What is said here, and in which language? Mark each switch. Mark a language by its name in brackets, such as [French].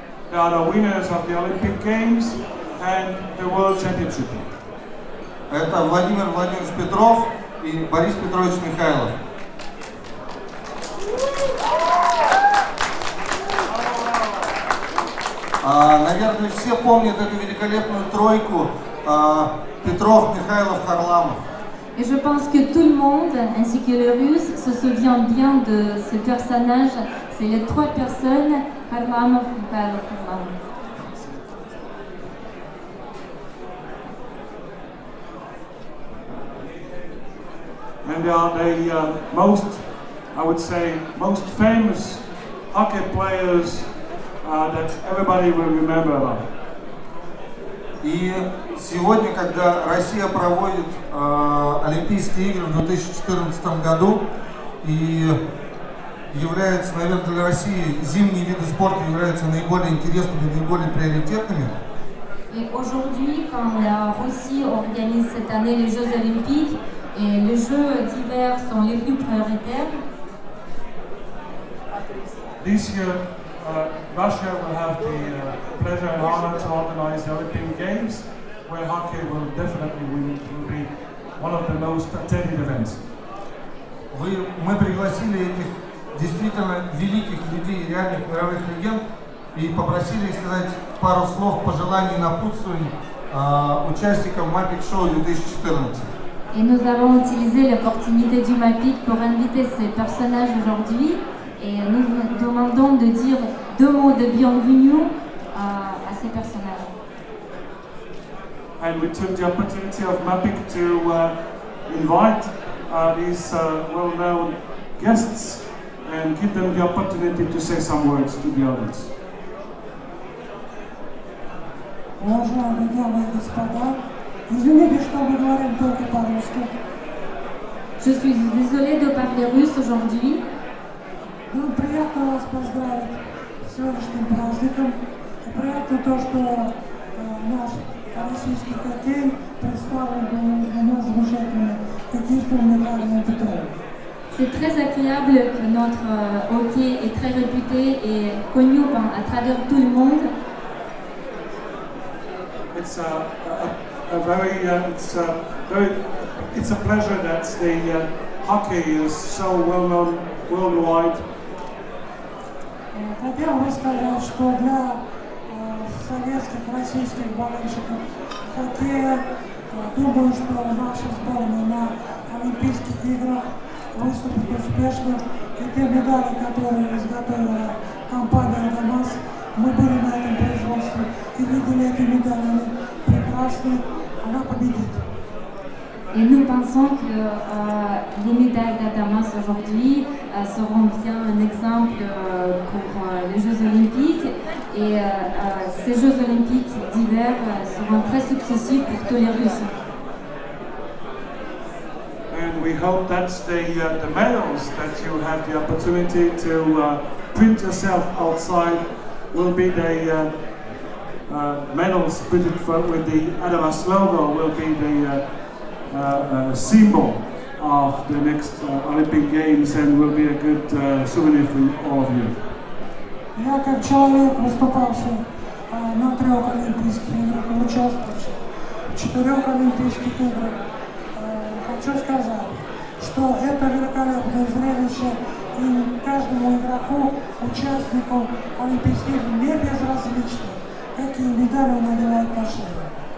[English] They are the winners of the Olympic Games and the World Championship. [Russian] Это Владимир Владимирович Петров и Борис Петрович Михайлов. Наверное, все помнят эту великолепную тройку. Петров, Михайлов, Харламов. [French] Et je pense que tout le monde, ainsi que les Russes, se souvient bien de ce personnage. C'est les trois personnes, Харламов, Михайлов, Харламов. [English] And they are the most, I would say, most famous hockey players that everybody will remember about. [Russian] И сегодня, когда Россия проводит Олимпийские игры в 2014 году и является, наверное, для России зимние виды спорта являются наиболее интересными, наиболее приоритетными. [French] И aujourd'hui, quand la Russie organise cette année les Jeux Olympiques et les Jeux d'hiver sont les plus prioritaires. [English] This year, Russia will have the pleasure and honor to organize the Olympic Games, where hockey will definitely be one of the most attended events. [Russian] Мы пригласили этих действительно великих людей, реальных мировых легенд, и попросили сказать пару слов пожеланий на путствие участникам Mappic Show 2014. [French] Et nous avons utilisé l'opportunité du Mappic pour inviter ces personnages aujourd'hui. Et nous demandons de dire deux mots de bienvenue à ces personnages. [English] And we took the opportunity of Mappic to invite these well-known guests and give them the opportunity to say some words to the audience. [Russian] Уважаемые дамы и господа, извините, что мы говорим только по-русски. [French] Je suis désolé de parler russe aujourd'hui. [Russian] Ну, приятно вас поздравить с сегодняшним праздником. Приятно то, что наш российский хоккей представлен на нас замечательно каким-то уникальным титулом. [French] C'est très agréable que notre hockey est très réputé et connu à travers tout le monde. [English] It's it's a pleasure that the hockey is so well known worldwide. [Russian] Хотел бы сказать, что для советских российских болельщиков хоккея, думаю, что наша сборная на Олимпийских играх выступит успешно, и те медали, которые изготовила компания «Адамас», мы были на этом производстве и видели эти медали, они прекрасны, она победит. И мы [French] pensons que les médailles d'Adamas aujourd'hui seront bien un exemple pour les Jeux Olympiques et ces Jeux Olympiques d'hiver seront très successifs pour tous les Russes. [English] And we hope that the medals that you have the opportunity to print yourself outside will be the medals printed with the Adamas logo will be the symbol of the next Olympic Games and will be a good souvenir for all of you. [Russian] Я как человек, выступавший на трех Олимпийских играх, участвовавший в четырех Олимпийских играх, хочу сказать, что это великолепное зрелище и каждому игроку, участнику Олимпийских игр не безразлично, какие медали он надевает на шею.